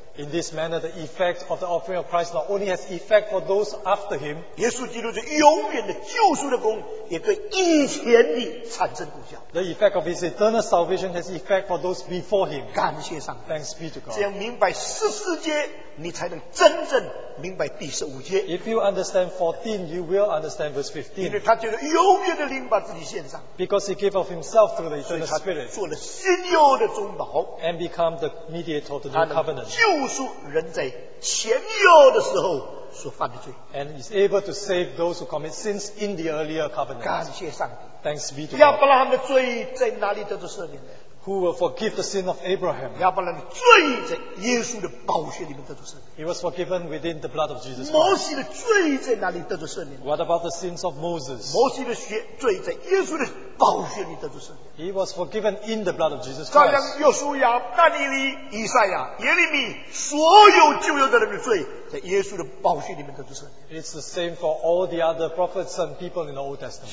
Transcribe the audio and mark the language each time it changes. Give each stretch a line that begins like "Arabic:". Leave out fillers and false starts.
English: In this manner, the effect of the offering of Christ not only has effect for those after him,
Chinese: 耶稣基督是永远的救赎的功，也对以前的产生果效。
English: The effect of his eternal salvation has effect for those before him.
Chinese: 感谢上帝。
English: Thanks be to God.
Chinese: 这样明白14节，你才能真正明白第15节。
English: If you understand 14, you will understand verse 15.
Chinese: 因为他就是永远的灵把自己献上。
English: Because he gave of himself through the eternal spirit.
Chinese: 做了新约的中保。
English: And become the mediator of the new covenant.
Chinese: 救赎人在前约的时候所犯的罪。
English: And is able to save those who commit sins in the earlier covenant.
Chinese: 感谢上帝。
English: Thanks be to God.
Chinese: 亚伯拉罕的罪在哪里得到赦免呢？
English: Who will forgive the sin of Abraham?
Chinese: 亚伯拉罕的罪在耶稣的宝血里面得到赦免。
English: He was forgiven within the blood of Jesus.
Chinese: 摩西的罪在哪里得到赦免？
English: What about the sins of Moses?
Chinese: 摩西的罪在耶稣的宝血里得到赦免。
English: He was forgiven in the blood of Jesus Christ.
Chinese: 照样，约书亚、但以理、以赛亚、耶利米，所有旧约的人的罪，在耶稣的宝血里面得到赦免。
English: It's the same for all the other prophets and people in the Old Testament.